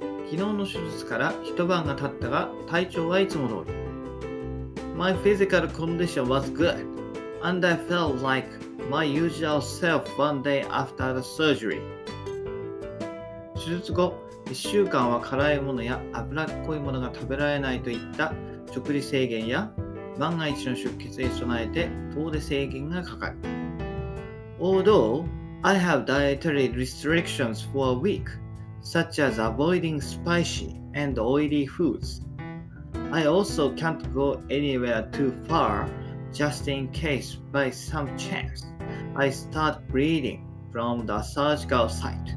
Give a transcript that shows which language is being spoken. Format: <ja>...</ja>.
<ja>昨日の手術から一晩が経ったが、体調はいつも通り。</ja> <en>My physical condition was good, and I felt like my usual self one day after the surgery.</en> <ja>手術後、1週間は辛いものや脂っこいものが食べられないといった食事制限や、万が一の出血に備えて遠出制限がかかる。</ja> <en>Although I have dietary restrictions for a week, such as avoiding spicy and oily foods, I also can't go anywhere too far just in case by some chance I start bleeding from the surgical site.</en>